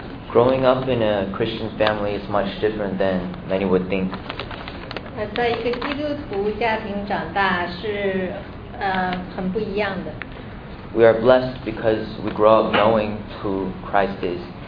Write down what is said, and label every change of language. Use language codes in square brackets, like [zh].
[en] Growing up in a Christian family is much different than many would think. [zh] 在一个基督徒家庭长大是很不一样的。 [en] We are blessed because we grow up knowing who Christ is.